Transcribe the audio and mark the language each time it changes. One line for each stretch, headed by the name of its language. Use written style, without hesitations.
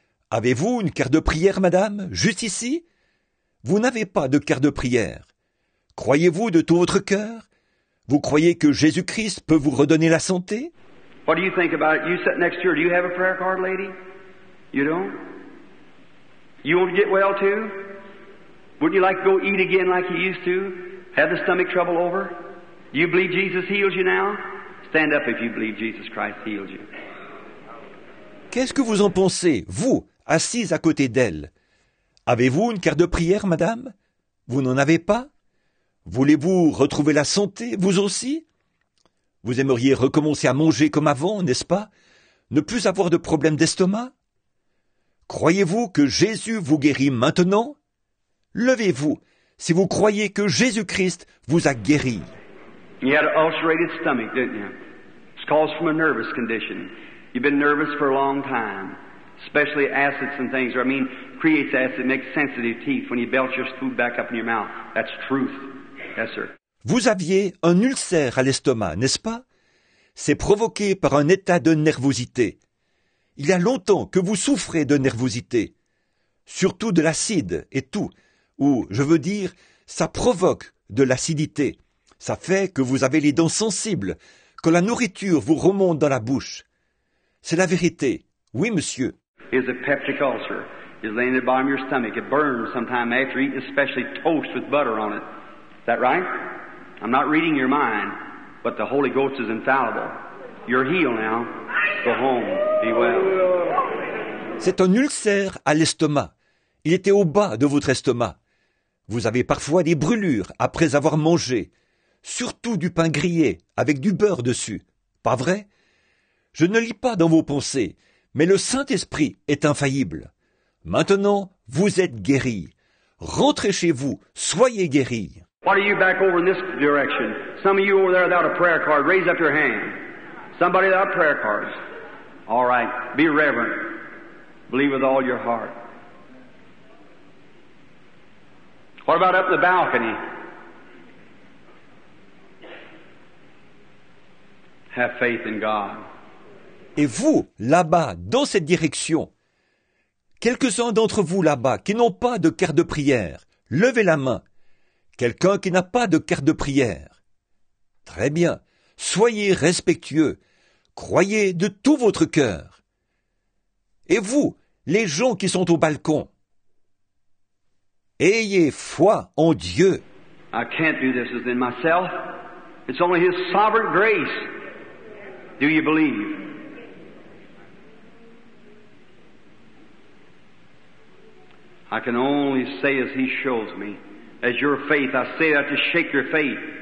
French: Avez-vous une carte de prière, madame, juste ici? Vous n'avez pas de carte de prière. Croyez-vous de tout votre cœur? Vous croyez que Jésus-Christ peut vous redonner la santé?
English: What do you think about it? You sit next to her. Do you have a prayer card, lady? You don't? You want to get well, too? Wouldn't you like to go eat again like you used to? Have the stomach trouble over? Do you believe Jesus heals you now? Stand up if you believe Jesus Christ heals you.
French: Qu'est-ce que vous en pensez, vous, assise à côté d'elle? Avez-vous une carte de prière, madame? Vous n'en avez pas? Voulez-vous retrouver la santé, vous aussi? Vous aimeriez recommencer à manger comme avant, n'est-ce pas? Ne plus avoir de problème d'estomac? Croyez-vous que Jésus vous guérit maintenant? Levez-vous si vous croyez que Jésus-Christ vous a guéri.
English: You had an ulcerated stomach, didn't you? It's caused from a nervous condition. You've been nervous for a long time. Especially acids and things, or I mean, creates acid, makes sensitive teeth when you belch your food back up in your mouth. That's truth. Yes, sir.
French: Vous aviez un ulcère à l'estomac, n'est-ce pas? C'est provoqué par un état de nervosité. Il y a longtemps que vous souffrez de nervosité, surtout de l'acide et tout, ou, je veux dire, ça provoque de l'acidité. Ça fait que vous avez les dents sensibles, que la nourriture vous remonte dans la bouche. C'est la vérité. Oui, monsieur.
English: It's a peptic ulcer. It's laying at the bottom of your stomach. It burns sometime after eating, especially toast with butter on it. Is that right? I'm not reading your mind, but the Holy Ghost is infallible. You're healed now. Go home. Be well.
French: C'est un ulcère à l'estomac. Il était au bas de votre estomac. Vous avez parfois des brûlures après avoir mangé, surtout du pain grillé avec du beurre dessus. Pas vrai? Je ne lis pas dans vos pensées, mais le Saint-Esprit est infaillible. Maintenant, vous êtes guéri. Rentrez chez vous, soyez guéri.
English: What are you back over in this direction? Some of you over there without a prayer card, raise up your hand. Somebody without prayer cards. All right, be reverent. Believe with all your heart. What about up the balcony? Have faith in God.
French: Et vous, là-bas, dans cette direction, quelques-uns d'entre vous là-bas qui n'ont pas de carte de prière, levez la main. Quelqu'un qui n'a pas de carte de prière. Très bien. Soyez respectueux. Croyez de tout votre cœur. Et vous, les gens qui sont au balcon, ayez foi en Dieu.
English: I can't do this within myself. It's only His sovereign grace. Do you believe? I can only say as He shows me. As your faith, I say that to shake your faith.